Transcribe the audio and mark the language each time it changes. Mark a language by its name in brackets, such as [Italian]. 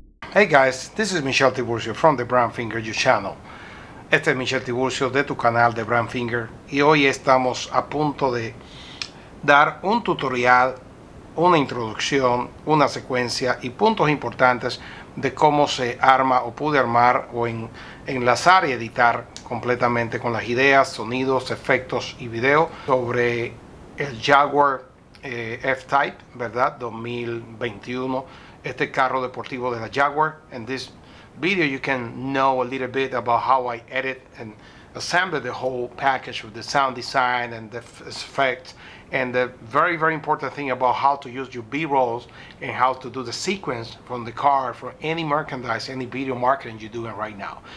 [English] Hey guys, this is Michel Tiburcio from the Brand Finger You Channel. [Spanish] Este es Michel Tiburcio de tu canal de Brand Finger y hoy estamos a punto de dar un tutorial, una introducción, una secuencia y puntos importantes de cómo se arma o pude armar o enlazar y editar completamente con las ideas, sonidos, efectos y video sobre el Jaguar F-Type, ¿verdad? 2021, este carro deportivo de la Jaguar. [English] In this video you can know a little bit about how I edit and assemble the whole package with the sound design and the effects. And the very, very important thing about how to use your B-rolls and how to do the sequence from the car for any merchandise, any video marketing you're doing right now.